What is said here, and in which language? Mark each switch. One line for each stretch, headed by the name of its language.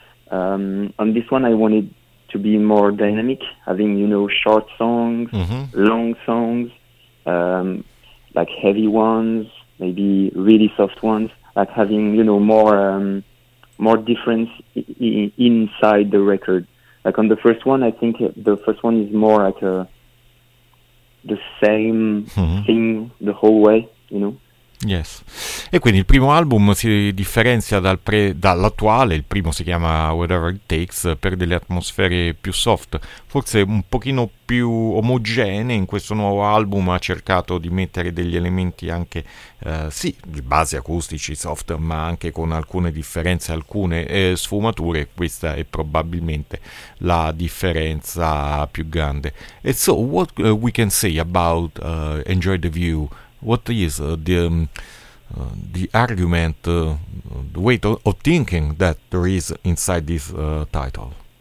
English: On this one, I wanted to be more dynamic, having, you know, short songs, long songs, like heavy ones, maybe really soft ones, like having, you know, more more difference inside the record. Like on the first one, I think the first one is more like the same thing the whole way, you know? Yes.
Italian: E quindi il primo album si differenzia dall'attuale, il primo si chiama Whatever It Takes, per delle atmosfere più soft, forse un pochino più omogenee. In questo nuovo album ha cercato di mettere degli elementi anche, sì, di basi acustici, soft, ma anche con alcune differenze, alcune sfumature. Questa è probabilmente la differenza più grande.
English: E so, what we can say about Enjoy the View? What is the argument, the way of thinking that there is inside this title?